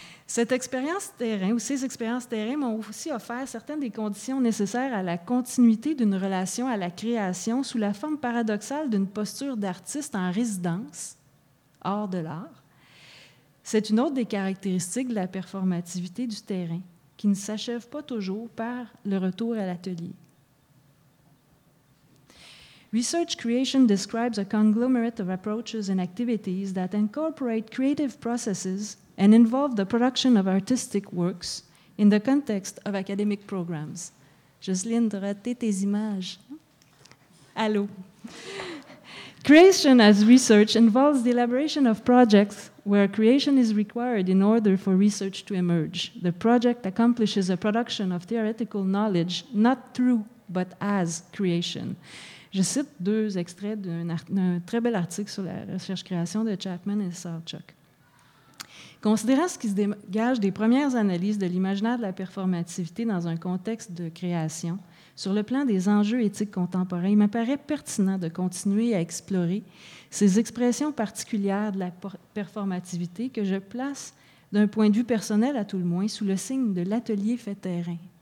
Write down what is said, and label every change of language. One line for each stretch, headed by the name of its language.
French: Cette expérience terrain ou ces expériences terrain m'ont aussi offert certaines des conditions nécessaires à la continuité d'une relation à la création sous la forme paradoxale d'une posture d'artiste en résidence, hors de l'art. C'est une autre des caractéristiques de la performativité du terrain, qui ne s'achève pas toujours par le retour à l'atelier.
English: Research Creation describes a conglomerate of approaches and activities that incorporate creative processes and involve the production of artistic works in the context of academic programs.
French: Jocelyne, droite tes images. Allô.
English: Creation as research involves the elaboration of projects where creation is required in order for research to emerge. The project accomplishes a production of theoretical knowledge, not through, but as creation.
French: Je cite deux extraits d'un très bel article sur la recherche-création de Chapman et Salchuk. Considérant ce qui se dégage des premières analyses de l'imaginaire de la performativité dans un contexte de création, sur le plan des enjeux éthiques contemporains, il m'apparaît pertinent de continuer à explorer ces expressions particulières de la performativité que je place, d'un point de vue personnel à tout le moins, sous le signe de l'atelier fait terrain.